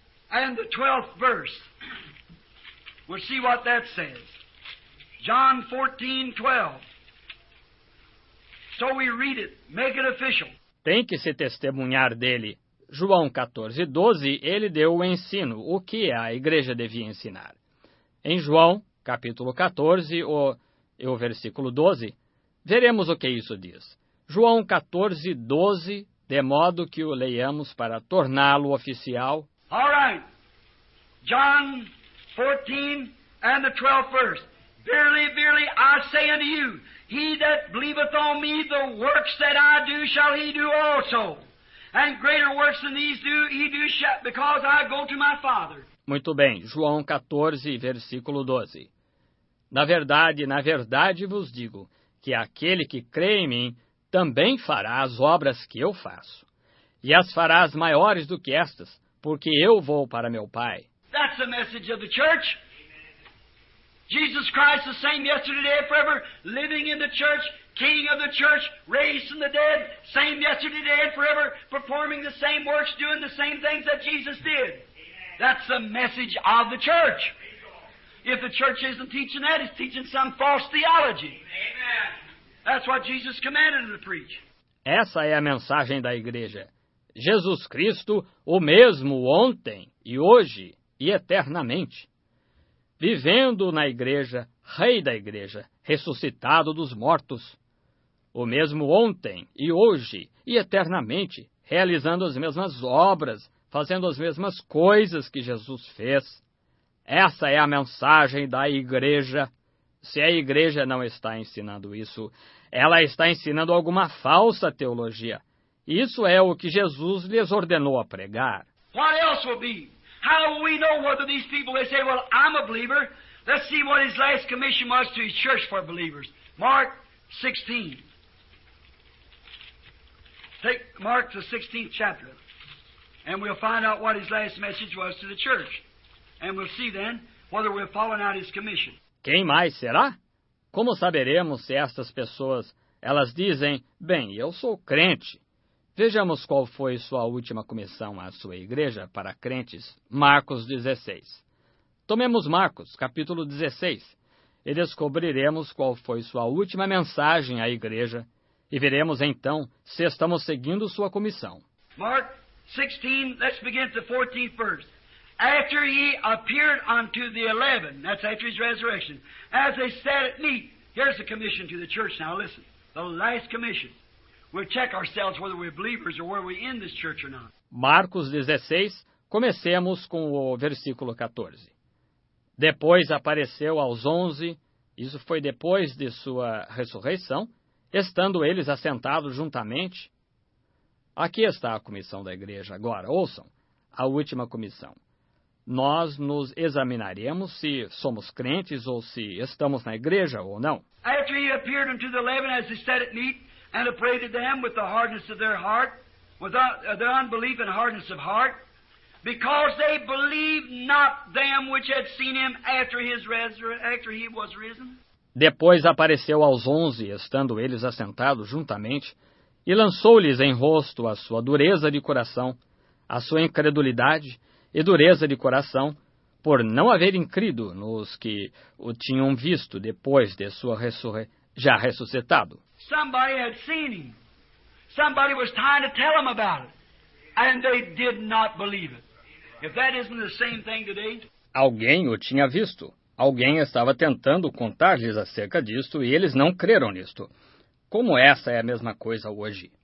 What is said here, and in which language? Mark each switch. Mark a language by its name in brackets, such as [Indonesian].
[English] John 14:12. We'll see what that says. John 14:12. So we read it, make it official. [Portuguese] Tem que se testemunhar dele. João 14:12, ele deu o ensino, o que a igreja devia ensinar. Em João 14:12, veremos o que isso diz. João 14:12, de modo que o leiamos para torná-lo oficial. [English] All right. John 14 and the 12th verse. Verily, verily, I say unto you, he that believeth on me, the works that I do shall he do also. And greater works than these do he do, because I go to my Father. [Portuguese] Muito bem, João 14:12. Na verdade vos digo, que aquele que crê em mim também fará as obras que eu faço. E as fará as maiores do que estas, porque eu vou para meu Pai. [English] That's the message of the church. Jesus Christ, the same yesterday, today, forever, living in the church, King of the church, raised from the dead, same yesterday, today, and forever, performing the same works, doing the same things that Jesus did. That's the message of the church. If the church isn't teaching that, it's teaching some false theology. That's what Jesus commanded to preach. [Portuguese] Essa é a mensagem da igreja. Jesus Cristo, o mesmo ontem, e hoje, e eternamente. Vivendo na igreja, rei da igreja, ressuscitado dos mortos. O mesmo ontem e hoje e eternamente, realizando as mesmas obras, fazendo as mesmas coisas que Jesus fez. Essa é a mensagem da igreja. Se a igreja não está ensinando isso, ela está ensinando alguma falsa teologia. Isso é o que Jesus lhes ordenou a pregar. [English] What else will be? How will we know whether these people, they say, well, I'm a believer. Let's see what his last commission was to his church for believers. Mark 16. Take Mark the 16th chapter. And we'll find out what his last message was to the church. And we'll see then whether we're following out his commission. [Portuguese] Quem mais será? Como saberemos se estas pessoas, elas dizem, bem, eu sou crente. Vejamos qual foi sua última comissão à sua igreja para crentes, Marcos 16. Tomemos Marcos, capítulo 16, e descobriremos qual foi sua última mensagem à igreja, e veremos então se estamos seguindo sua comissão. [English] Mark 16, let's begin at the 14th verse. After he appeared unto the 11, that's after his resurrection, as they sat at meat, here's the commission to the church now, listen, the last commission. We'll check ourselves whether we're believers or whether we're in this church or not. [Portuguese] Marcos 16, comecemos com o versículo 14. Depois apareceu aos 11, isso foi depois de sua ressurreição, estando eles assentados juntamente. Aqui está a comissão da igreja agora, ouçam, a última comissão. Nós nos examinaremos se somos crentes ou se estamos na igreja ou não. [English] After he appeared unto the 11 as they sat at meat, and appeared to them with the hardness of their heart, with their unbelief and hardness of heart, because they believed not them which had seen him after his after he was risen. [Portuguese] Depois apareceu aos 11, estando eles assentados juntamente, e lançou-lhes em rosto a sua dureza de coração, a sua incredulidade e dureza de coração, por não haverem crido nos que o tinham visto depois de sua já ressuscitado. [English] Somebody had seen him. Somebody was trying to tell him about it, and they did not believe it. If that isn't the same thing today. [Portuguese] Alguém o tinha visto. Alguém estava tentando contar-lhes acerca disto e eles não creram nisto. Como essa é a mesma coisa hoje?